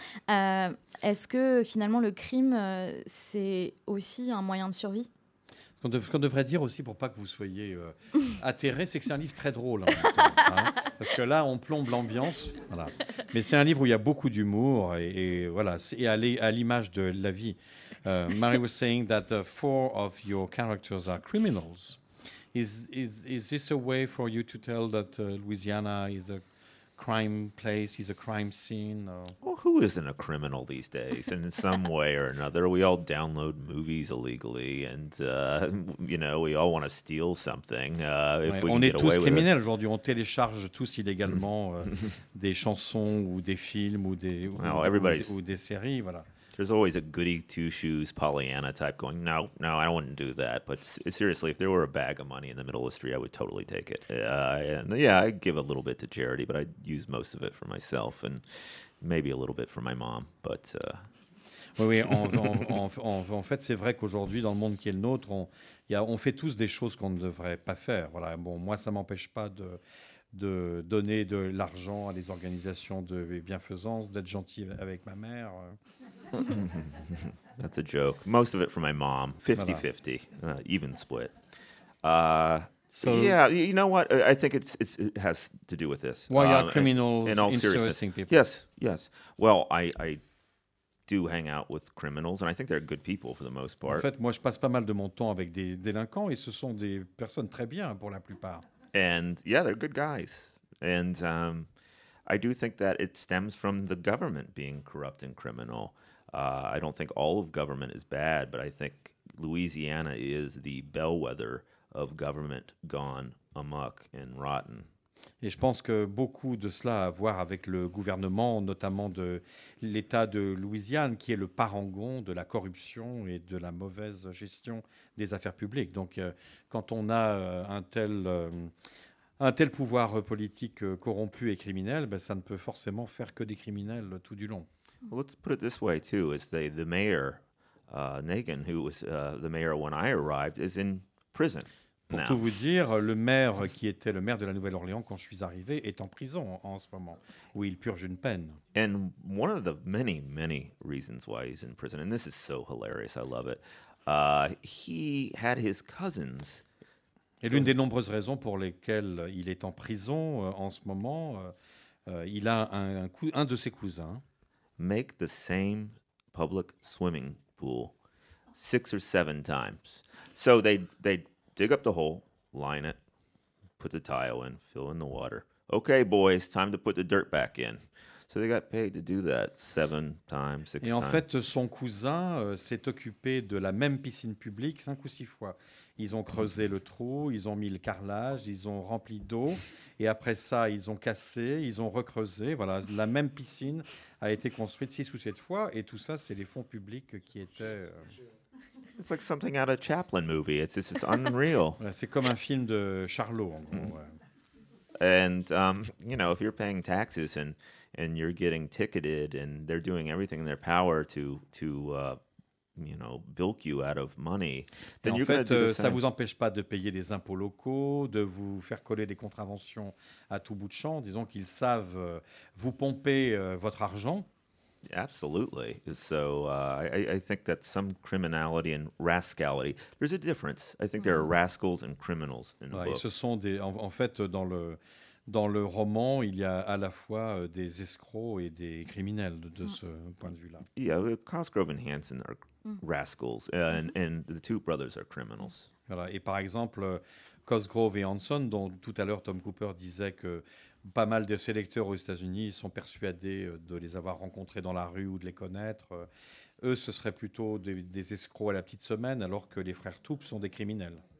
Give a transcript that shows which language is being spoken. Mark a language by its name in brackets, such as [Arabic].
[French] Est-ce que finalement le crime, c'est aussi un moyen de survie ? Ce qu'on devrait dire aussi, pour pas que vous soyez atterrés, c'est que c'est un livre très drôle. Hein, parce que là, on plombe l'ambiance. Voilà. Mais c'est un livre où il y a beaucoup d'humour et voilà, c'est à l'image de la vie. [English] Mary was saying that four of your characters are criminals. Is this a way for you to tell that Louisiana is a crime place, is a crime scene? Well, who isn't a criminal these days in some way or another? We all download movies illegally and, you know, we all want to steal something. [French] Tous criminels aujourd'hui. On télécharge tous illégalement des chansons ou des films ou des séries, voilà. [English] There's always a goody two-shoes Pollyanna type going, no, no, I wouldn't do that. But seriously, if there were a bag of money in the middle of the street, I would totally take it. I give a little bit to charity, but I use most of it for myself and maybe a little bit for my mom. But [French] Oui, en fait, c'est vrai qu'aujourd'hui, dans le monde qui est le nôtre, on fait tous des choses qu'on ne devrait pas faire. Voilà. Bon, moi, ça ne m'empêche pas de donner de l'argent à des organisations de bienfaisance, d'être gentil avec ma mère. [English] That's a joke. Most of it for my mom. 50-50. Even split. You know what? I think it has to do with this. Why are criminals interesting people? Yes, yes. Well, I do hang out with criminals, and I think they're good people for the most part. [French] En fait, moi, je passe pas mal de mon temps avec des délinquants, et ce sont des personnes très bien pour la plupart. [English] And yeah, they're good guys. And I do think that it stems from the government being corrupt and criminal. I don't think all of government is bad, but I think Louisiana is the bellwether of government gone amok and rotten. [French] Et je pense que beaucoup de cela a à voir avec le gouvernement, notamment de l'État de Louisiane, qui est le parangon de la corruption et de la mauvaise gestion des affaires publiques. Donc, quand on a un tel pouvoir politique corrompu et criminel, ben, ça ne peut forcément faire que des criminels tout du long. [English] Well, let's put it this way, too. Is the mayor, Nagin, who was the mayor when I arrived, is in prison. [French] Pour tout vous dire, le maire qui était le maire de la Nouvelle-Orléans quand je suis arrivé est en prison en ce moment, où il purge une peine. [English] And one of the many, many reasons why he's in prison, and this is so hilarious, I love it, he had his cousins. [French] Et l'une des nombreuses raisons pour lesquelles il est en prison en ce moment, il a un de ses cousins. [English] Make the same public swimming pool 6 or 7 times. So they dig up the hole, line it, put the tile in, fill in the water. Okay, boys, time to put the dirt back in. So they got paid to do that 7 times, 6 times. [French] Et en fait, son cousin s'est occupé de la même piscine publique 5 ou 6 fois. Ils ont creusé le trou, ils ont mis le carrelage, ils ont rempli d'eau. Et après ça, ils ont cassé, ils ont recreusé. Voilà, la même piscine a été construite 6 ou 7 fois. Et tout ça, c'est les fonds publics qui étaient... [English] It's like something out of a Chaplin movie. It's unreal. [French] C'est comme un film de Charlot, en gros. Ouais. [English] And, you know, if you're paying taxes and you're getting ticketed and they're doing everything in their power to bilk you out of money, then [French] en [English] you're [French] fait, [English] gonna do the same. [French] Ça vous empêche pas de payer des impôts locaux, de vous faire coller des contraventions à tout bout de champ. Disons qu'ils savent vous pomper votre argent. [English] Absolutely. So I think that some criminality and rascality, there's a difference. I think there are rascals and criminals in the book. [French] Ce sont des, en fait, dans le dans le roman, il y a à la fois des escrocs et des criminels de ce point de vue-là. [English] Yeah, Cosgrove and Hanson are rascals, and the two brothers are criminals. [French] Voilà. Et par exemple, Cosgrove et Hanson, dont tout à l'heure Tom Cooper disait que pas mal de ses lecteurs aux États-Unis sont persuadés de les avoir rencontrés dans la rue ou de les connaître. Eux, ce seraient plutôt des escrocs à la petite semaine, alors que les frères Toup sont des criminels.